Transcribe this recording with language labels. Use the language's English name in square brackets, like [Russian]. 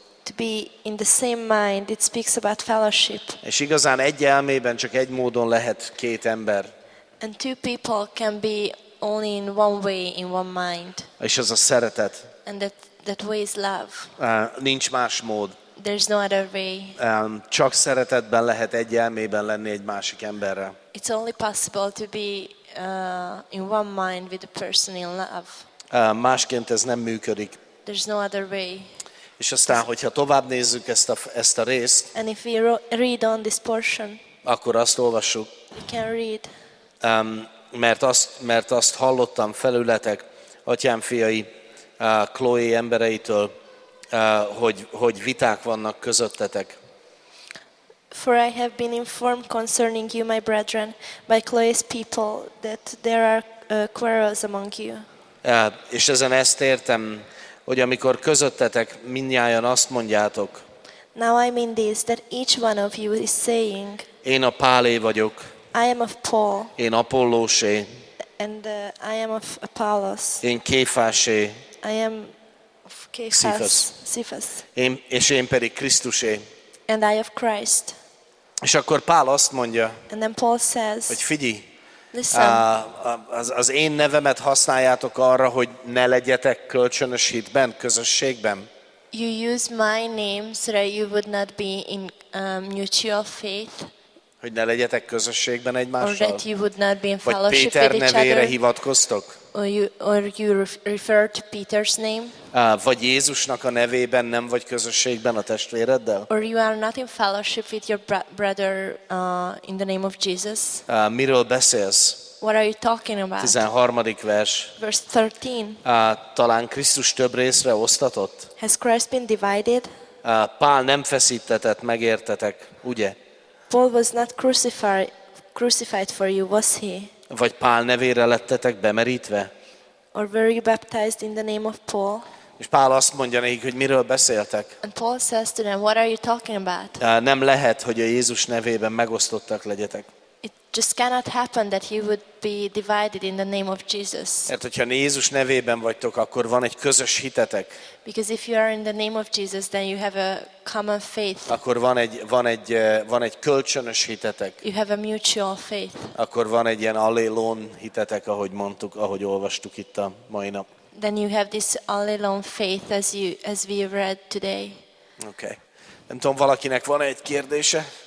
[English] To be in the same mind, it speaks about fellowship. [Hungarian] És igazán egy elmében csak egy módon lehet két ember. [English] And two people can be only in one way, in one mind. [Hungarian] És az a szeretet. [English] And that way is love. [Hungarian] Nincs más mód. [English] There's no other way. [Hungarian] Csak szeretetben lehet egy elmében lenni egy másik emberre. [English] It's only possible to be in one mind with a person in love. [Hungarian] Másként ez nem működik. [English] There's no other way. [Hungarian] És aztán, hogyha tovább nézzük ezt a részt, [English] and if we read on this portion, [Hungarian] akkor azt olvassuk. [English] We can read. [Hungarian] Mert azt hallottam felületek, Atyám fiai, Chloe embereitől, hogy viták vannak közöttetek. [English] For I have been informed concerning you, my brethren, by Chloe's people, that there are quarrels among you. [Hungarian] És ezen ezt értem, hogy amikor közöttetek mindnyájan azt mondjátok. [English] Now I mean this, that each one of you is saying. [Hungarian] Én a Pálé vagyok. [English] I am of Paul. [Hungarian] Én Apollósé. [English] And I am of Apollos. [Hungarian] Én Kéfásé. [English] I am of Kéfás. Cephas. [Hungarian] Én pedig Krisztusé. [English] And I of Christ. [Hungarian] És akkor Pál azt mondja. [English] And then Paul says. [Hungarian] Hogy figyelj. [English] Listen. [Hungarian] Az én nevemet használjátok arra, hogy ne legyetek kölcsönös hitben, közösségben. [English] You use my name so that you would not be in mutual faith. [Hungarian] Hogy ne legyetek közösségben egymással. [English] Or that you would not be in fellowship with each [Hungarian] other. Vagy Péter nevére hivatkoztok. [English] Or you refer to Peter's name. [Hungarian] Vagy Jézusnak a nevében nem vagy közösségben a testvéreddel. [English] Or you are not in fellowship with your brother in the name of Jesus. [Hungarian] Miről beszélsz? [English] What are you talking about? [Hungarian] 13. vers. [English] Verse 13. [Hungarian] Talán Krisztus több részre osztatott? [English] Has Christ been divided? [Hungarian] Pál nem feszítetett, megértetek, ugye? [English] Paul was not crucified for you, was he? [Hungarian] Vagy Pál nevére lettetek bemerítve? [English] Or were you baptized in the name of Paul? [Hungarian] És Pál azt mondja nekik, hogy miről beszéltek? [English] And Paul says to them, what are you talking about? [Hungarian] Nem lehet, hogy a Jézus nevében megosztottak legyetek. [English] It just cannot happen that you would be divided in the name of Jesus. [Hungarian] Mert hogyha Jézus nevében vagytok, akkor van egy közös hitetek. [English] Because if you are in the name of Jesus, then you have a common faith. [Hungarian] Akkor van egy kölcsönös hitetek. [English] You have a mutual faith. [Hungarian] Akkor van egy ilyen allelón hitetek, ahogy mondtuk, ahogy olvastuk itt a mai nap. [English] Then you have this allelón faith as we read today. Okay. [Hungarian] Nem tudom, valakinek van egy kérdése?